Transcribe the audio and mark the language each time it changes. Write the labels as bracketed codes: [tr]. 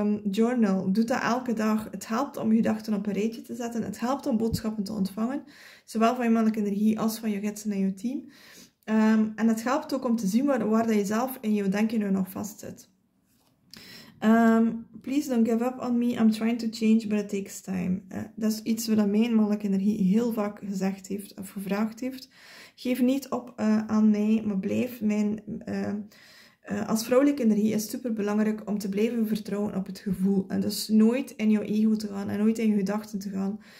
[nl] Journal, doe dat elke dag. Het helpt om je gedachten op een rijtje te zetten. Het helpt om boodschappen te ontvangen. Zowel van je mannelijke energie als van je gidsen en je team. En het helpt ook om te zien waar dat je zelf in je denken nu nog vast zit. [en] Please don't give up on me. I'm trying to change, but it takes time. [nl] Dat is iets wat mijn mannelijke energie heel vaak gezegd heeft of gevraagd heeft. Geef niet op aan mij, maar blijf mijn... als vrouwelijke energie is het super belangrijk om te blijven vertrouwen op het gevoel. En dus nooit in jouw ego te gaan en nooit in je gedachten te gaan.